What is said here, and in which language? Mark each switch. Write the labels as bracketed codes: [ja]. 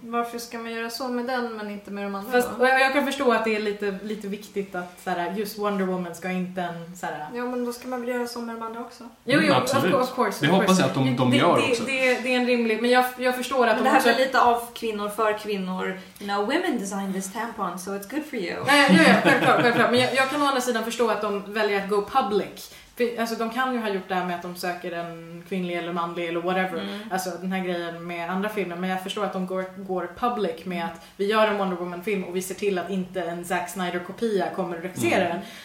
[sv] Varför ska man göra så med den men inte med de andra? Fast, jag kan förstå att det är lite viktigt att såhär, just Wonder Woman ska inte en... Såhär... Ja, men då ska man väl göra så med de andra också. Jo, absolut. [en] Of course. [sv] Det hoppas jag att de gör det också. Det är en rimlig... Men jag förstår att men de det här är lite av kvinnor för kvinnor. [en] You know, women design this tampon, so it's good for you. [sv] Nej, självklart. Men jag kan å andra sidan förstå att de väljer att [en] go public. [sv] Alltså, de kan ju ha gjort det här med att de söker en kvinnlig eller manlig eller whatever. Mm. Alltså den här grejen med andra filmer. Men jag förstår att de går public med att vi gör en Wonder Woman-film och vi ser till att inte en Zack Snyder-kopia kommer att regissera den.